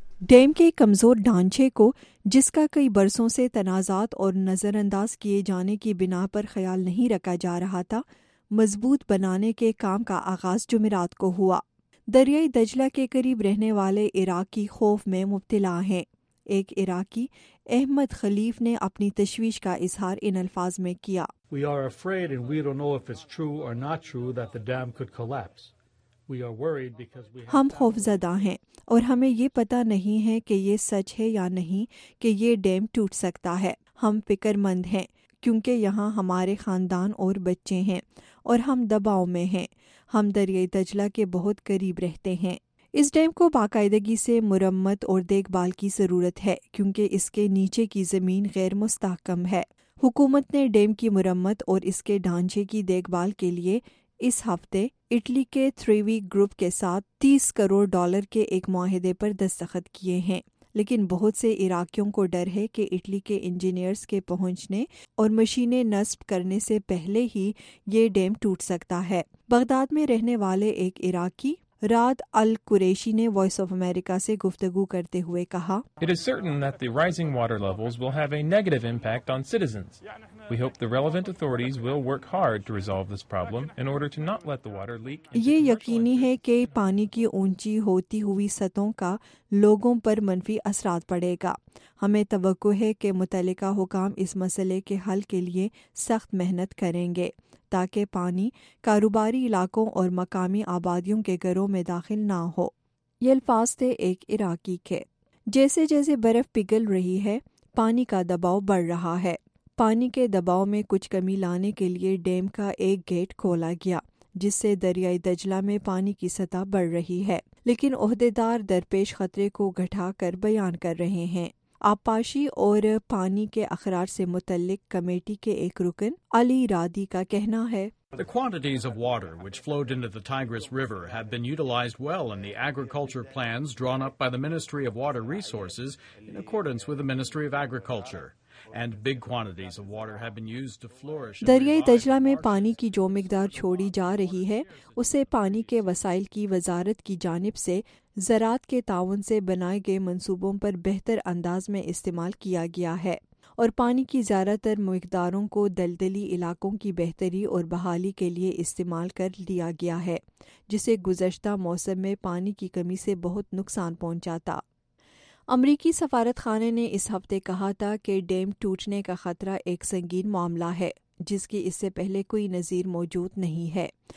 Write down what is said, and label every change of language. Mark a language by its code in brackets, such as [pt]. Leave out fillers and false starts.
[ur] Dam کے کمزور ڈھانچے کو, جس کا کئی برسوں سے تنازعات اور نظر انداز کیے جانے کی بنا پر خیال نہیں رکھا جا رہا تھا, مضبوط بنانے کے کام کا آغاز جمعرات کو ہوا. دریائے دجلہ کے قریب رہنے والے عراقی خوف میں مبتلا ہیں. ایک عراقی احمد خلیف نے اپنی تشویش کا اظہار ان الفاظ میں کیا. [en] We are afraid and we don't know if it's true or not true that the dam could collapse. We are worried because we have [ur] ہم خوفزدہ ہیں اور ہمیں یہ پتہ نہیں ہے کہ یہ سچ ہے یا نہیں کہ یہ ڈیم ٹوٹ سکتا ہے. ہم فکر مند ہیں کیونکہ یہاں ہمارے خاندان اور بچے ہیں اور ہم دباؤ میں ہیں. ہم دریائے دجلہ کے بہت قریب رہتے ہیں. اس ڈیم کو باقاعدگی سے مرمت اور دیکھ بھال کی ضرورت ہے کیونکہ اس کے نیچے کی زمین غیر مستحکم ہے. حکومت نے ڈیم کی مرمت اور اس کے ڈھانچے کی دیکھ بھال کے لیے اس ہفتے اٹلی کے تھریوی گروپ کے ساتھ $30 کروڑ کے ایک معاہدے پر دستخط کیے ہیں, لیکن بہت سے عراقیوں کو ڈر ہے کہ اٹلی کے انجینئرز کے پہنچنے اور مشینیں نصب کرنے سے پہلے ہی یہ ڈیم ٹوٹ سکتا ہے. بغداد میں رہنے والے ایک عراقی راد القریشی نے وائس آف امریکہ سے گفتگو کرتے ہوئے کہا, [en] It is certain that the rising water levels will have a negative impact on citizens. We hope the relevant authorities will work hard to resolve this problem in order to not let the water leak. [ur] یہ یقینی ہے کہ پانی کی اونچی ہوتی ہوئی سطحوں کا لوگوں پر منفی اثرات پڑے گا. ہمیں توقع ہے کہ متعلقہ حکام اس مسئلے کے حل کے لیے سخت محنت کریں گے تاکہ پانی کاروباری علاقوں اور مقامی آبادیوں کے گھروں میں داخل نہ ہو. یہ الفاظ تھے ایک عراقی کے. جیسے جیسے برف پگھل رہی ہے پانی کا دباؤ بڑھ رہا ہے. پانی کے دباؤ میں کچھ کمی لانے کے لیے ڈیم کا ایک گیٹ کھولا گیا جس سے دریائے دجلہ میں پانی کی سطح بڑھ رہی ہے, لیکن عہدیدار درپیش خطرے کو گھٹا کر بیان کر رہے ہیں. آبپاشی اور پانی کے اخراج سے متعلق کمیٹی کے ایک رکن علی رادی کا کہنا ہے, [en] The quantities of water which flowed into the Tigris River have been utilized well in the agriculture plans drawn up by the Ministry of Water Resources in accordance with the Ministry of Agriculture. And big quantities of water have been used to flourish. [ur] دریائے دجلہ میں پانی کی جو مقدار چھوڑی جا رہی ہے اسے پانی کے وسائل کی وزارت کی جانب سے زراعت کے تعاون سے بنائے گئے منصوبوں پر بہتر انداز میں استعمال کیا گیا ہے, اور پانی کی زیادہ تر مقداروں کو دلدلی علاقوں کی بہتری اور بحالی کے لیے استعمال کر لیا گیا ہے، جسے گزشتہ موسم میں پانی کی کمی سے بہت نقصان پہنچا تھا۔ امریکی سفارتخانے نے اس ہفتے کہا تھا کہ ڈیم ٹوٹنے کا خطرہ ایک سنگین معاملہ ہے جس کی اس سے پہلے کوئی نظیر موجود نہیں ہے۔